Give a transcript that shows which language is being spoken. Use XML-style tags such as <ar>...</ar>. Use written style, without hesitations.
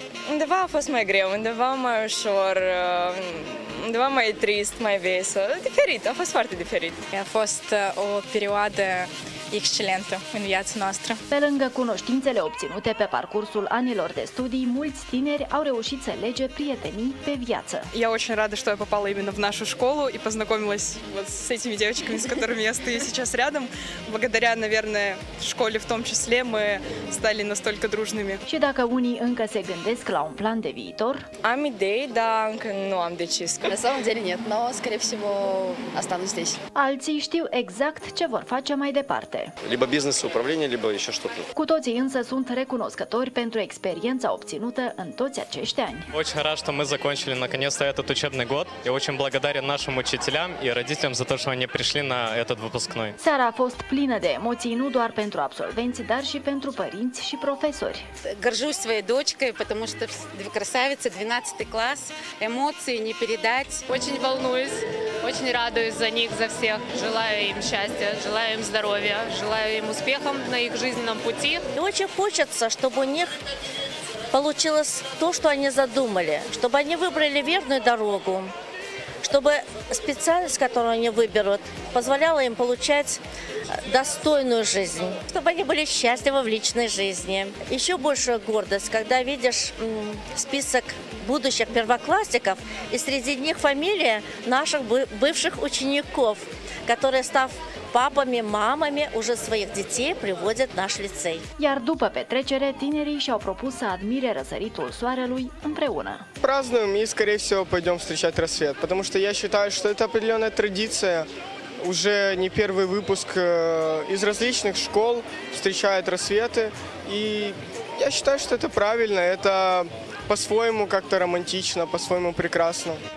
<ro>Undeva a fost mai greu, undeva mai ușor, undeva mai trist, mai vesel. Diferit, a fost foarte diferit. A fost o perioadă excelentă în viața noastră. Pe lângă cunoștințele obținute pe parcursul anilor de studii, mulți tineri au reușit să lege prietenii pe viață.</ro> <ru>Я очень рада, что я попала именно в нашу школу и познакомилась вот с этими девочками, с которыми я стою сейчас рядом. Благодаря, наверное, школе в том числе мы стали настолько дружными.</ru> <ro>Și dacă unii încă se gândesc la un plan de viitor? Am idei, dar încă nu am decis.</ro> <ru>На самом деле нет, но скорее всего останусь здесь.</ru> <ro>Alții știu exact ce vor face mai departe.</ro> <ru>Либо бизнес управление, либо еще что-то.</ru> <ro>Cu toții însă sunt recunoscători pentru experiența obținută în toți acești ani.</ro> <ru>Очень рад, что мы закончили наконец-то этот учебный год. Я очень благодарен нашим учителям и родителям за то, что они пришли на этот выпускной.</ru> <ro>Seara a fost plină de emoții nu doar pentru absolvenți, dar și pentru părinți și profesori.</ro> <ru>Горжусь своей дочкой, потому что две красавицы, 12 класс, эмоции не передать. Очень волнуюсь, очень радуюсь за них, за всех. Желаю им счастья, желаю им здоровья. Желаю им успехов на их жизненном пути. И очень хочется, чтобы у них получилось то, что они задумали, чтобы они выбрали верную дорогу, чтобы специальность, которую они выберут, позволяла им получать достойную жизнь, чтобы они были счастливы в личной жизни. Еще большая гордость, когда видишь список будущих первоклассников, и среди них фамилия наших бывших учеников, которые, став папами, мамами, уже своих детей приводят в наш лицей.</ru> <ro>Iar după petrecere, tinerii și-au propus să admire răsăritul soarelui împreună.</ro> <ru>Празднуем и, скорее всего, пойдем встречать рассвет, потому что я считаю, что это определенная традиция. Уже не первый выпуск из различных школ встречает рассветы. И я считаю, что это правильно, это по-своему как-то романтично, по-своему прекрасно.</ru>